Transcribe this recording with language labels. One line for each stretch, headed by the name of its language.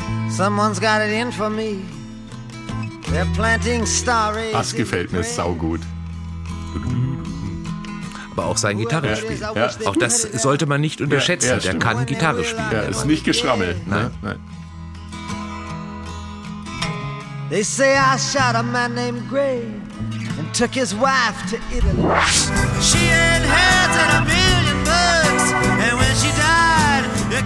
English: Someone's got it in for me. They're planting stories.
German: Das gefällt mir saugut. Aber auch sein Gitarrespiel. Ja. Auch das sollte man nicht unterschätzen. Ja, der kann Gitarre spielen. Ja, ist nicht Geschrammel. Nein.
English: They say I shot a man named Gray and took his wife to Italy. She inherited a million bucks and when she died,